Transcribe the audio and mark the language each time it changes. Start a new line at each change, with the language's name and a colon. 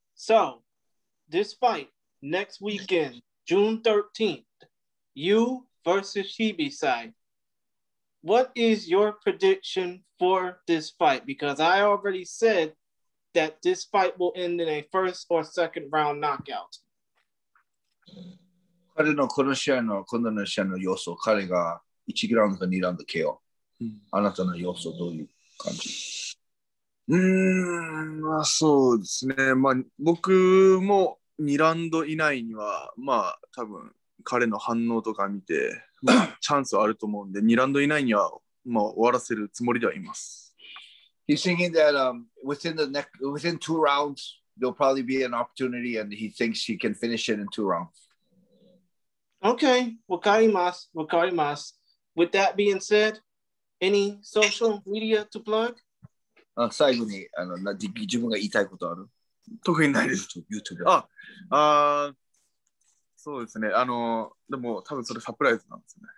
English: So this fight next weekend, June 13th, you versus Shibisai. What is your prediction for this fight? Because I already said that this fight will end in a first or second round knockout.
Japanese: 彼のこの試合の今度の試合の様子、彼が1グラウンドか2ラウンド KO。あなたの様子どういう感じ？まあそうですね。まあ僕も2ラウンド以内にはまあ多分彼の反応とか見て、まあ、チャンスあると思うんで、2ラウンド以内にはまあ、終わらせるつもりではいます。
English: He's thinking that、within two rounds, there'll probably be an opportunity and he thinks he can finish it in two rounds.
Japanese: Okay, わかります。
English: With that being said, any social media to plug?
Japanese: 最後にあの自分が言いたいことある？特にないです。
English: YouTube
Japanese: で。ああ、そうですね。あの、でも多分それサプライズなんですね。